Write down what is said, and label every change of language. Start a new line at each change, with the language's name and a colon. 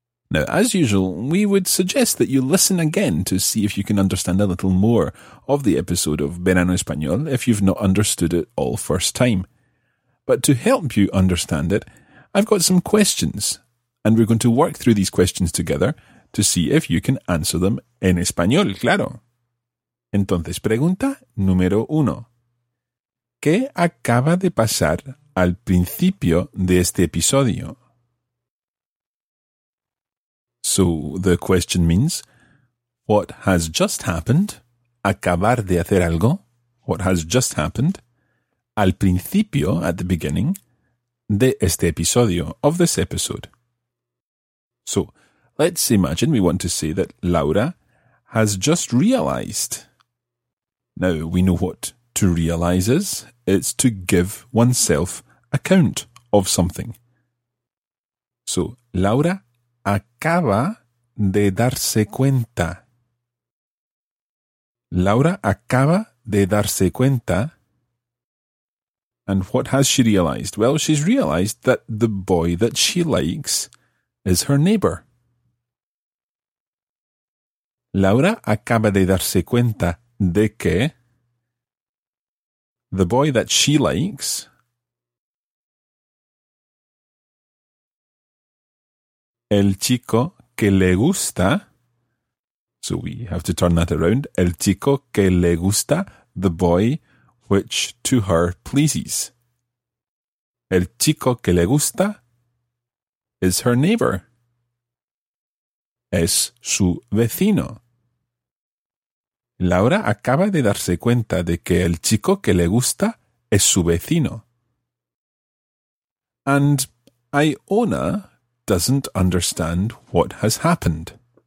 English: Now, as usual, we would suggest that you listen again to see if you can understand a little more of the episode of Verano Español if you've not understood it all first time. But to help you understand it, I've got some questions, and we're going to work through these questions together to see if you can answer them
Spanish: en español, claro. Entonces, pregunta número uno. ¿Qué acaba de pasar al principio de este episodio?
English: So, the question means, what has just happened?
Spanish: Acabar de hacer algo.
English: What has just happened?
Spanish: Al principio,
English: at the beginning,
Spanish: de este episodio,
English: of this episode. So, let's imagine we want to say that Laura has just realized. Now, we know what to realize is. It's to give oneself account of something.
Spanish: So, Laura acaba de darse cuenta. Laura acaba de darse cuenta.
English: And what has she realized? Well, she's realized that the boy that she likes is her neighbor.
Spanish: Laura acaba de darse cuenta de que
English: the boy that she likes
Spanish: el chico que le gusta.
English: So we have to turn that around.
Spanish: El chico que le gusta.
English: The boy which to her pleases.
Spanish: El chico que le gusta
English: is her neighbor.
Spanish: Es su vecino. Laura acaba de darse cuenta de que el chico que le gusta es su vecino.
English: And Iona doesn't understand what has happened.